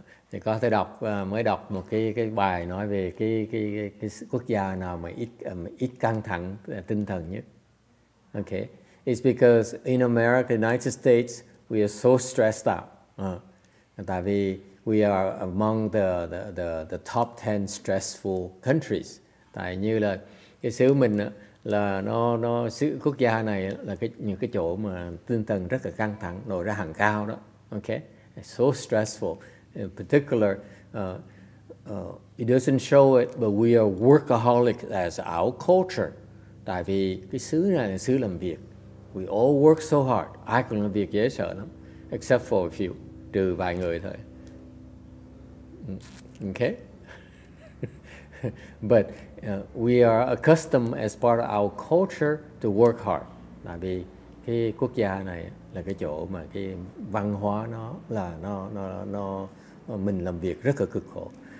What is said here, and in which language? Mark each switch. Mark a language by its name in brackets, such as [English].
[Vietnamese] Thì có thể mới đọc một cái bài nói về cái quốc gia nào mà ít căng thẳng tinh thần nhất. [English] Okay, it's because in America, United States, we are so stressed out. [Vietnamese] Tại vì [English] we are among the top 10 stressful countries. [Vietnamese] Tại như là cái xứ mình là nó xứ quốc gia này là cái những cái chỗ mà tinh thần rất là căng thẳng, nổi ra hàng cao đó. [English] Okay, it's so stressful. In particular, it doesn't show it, but we are workaholic as our culture. [Vietnamese] Tại vì cái xứ này là xứ làm việc. [English] We all work so hard. [Vietnamese] Ai cũng làm việc dễ sợ lắm. [English] Except for a few. [Vietnamese] Trừ vài người thôi. [English] Okay? But we are accustomed as part of our culture to work hard. [Vietnamese] Tại vì cái quốc gia này là cái chỗ mà cái văn hóa nó là nó mình làm việc rất là cực khổ.